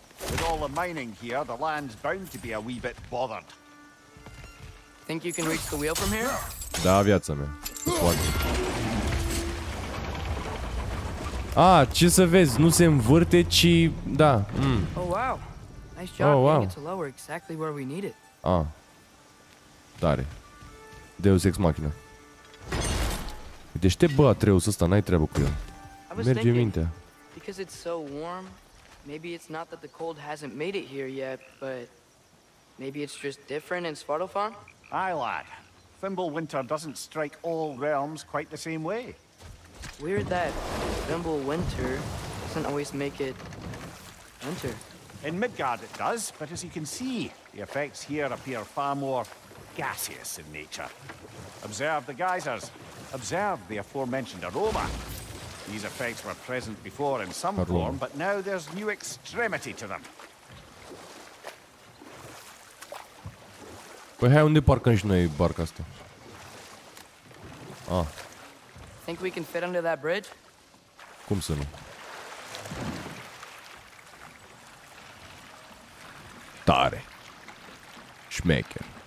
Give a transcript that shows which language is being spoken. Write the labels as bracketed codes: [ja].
[en] With all the mining here, the land's bound to be a wee bit bothered. Think you can reach the wheel from here? [ro] Da, viața mea. Poate. Ah, ce să vezi, nu se învârte, ci... Da. Mm. [en] Oh, wow. Nice job getting it to lower exactly where we need it. [ro] Ah. Tare. Deus ex machina. Deștept, bă, Atreus ăsta, n-ai treabă cu el. Merge mintea. [en] Because it's so warm, maybe it's not that the cold hasn't made it here yet, but maybe it's just different in Svartalfheim? Aye, lad. Fimbul winter doesn't strike all realms quite the same way. Weird that Fimbul winter doesn't always make it winter. In Midgard it does, but as you can see, the effects here appear far more gaseous in nature. Observe the geysers. Observe the aforementioned aroma. These effects were present before in some form, but now there's new extremity to them. [ro] Păi hai, unde parcăm și noi barca asta? Ah. [en] Think we can fit under that bridge? [ro] Cum să nu? Tare. Schmecker.